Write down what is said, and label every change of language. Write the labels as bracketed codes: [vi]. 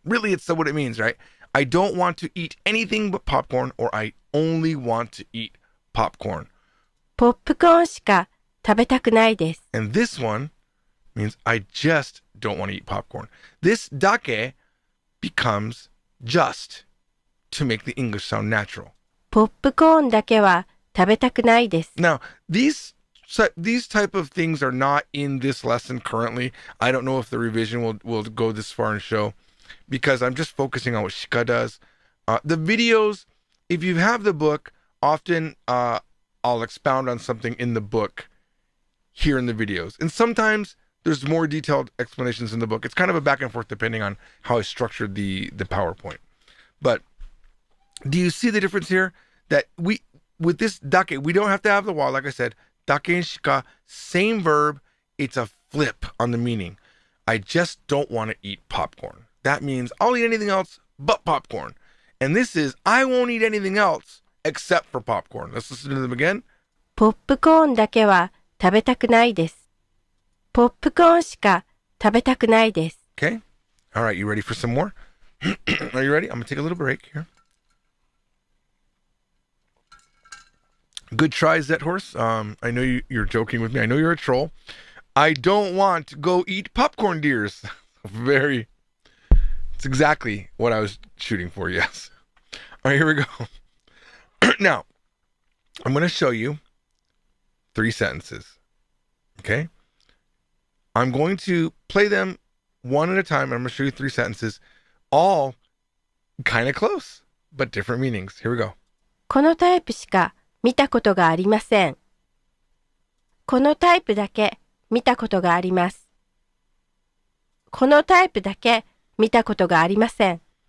[en] Really, it's what it means, right? I don't want to eat anything but popcorn, or I only want to eat popcorn. [ja] Popcorn しか食べたくないです。 [en] And this one means, I just don't want to eat popcorn. This だけ becomes just to make the English sound natural. [ja] ポップコーンだけは食べたくないです。 [en] Now, these type of things are not in this lesson currently. I don't know if the revision will go this far and show, because I'm just focusing on what Shika does. The videos, if you have the book, often I'll expound on something in the book here in the videos. And sometimes there's more detailed explanations in the book. It's kind of a back and forth depending on how I structured the PowerPoint. But do you see the difference here? That we, with this dake, we don't have to have the wa, like I said. Dake and shika, same verb. It's a flip on the meaning. I just don't want to eat popcorn. That means I'll eat anything else but popcorn. And this is, I won't eat anything else except for popcorn. Let's listen to them again. [ja] Popcorn だけは食べたくないです。ポップコーンしか食べたくないです。 [en] Okay. All right, you ready for some more? Are you ready? I'm gonna take a little break here. Good try, Zet Horse. I know you're joking with me. I know you're a troll. I don't want to go eat popcorn, dears. Very. It's exactly what I was shooting for, yes. All right, here we go. Now, I'm gonna show you three sentences. Okay? I'm going to play them one at a time, and I'm going to show you three sentences, all kind of close, but different meanings. Here we go. [ja] このタイプしか見たことがありません。このタイプだけ見たことがあります。このタイプだけ見たことがありません。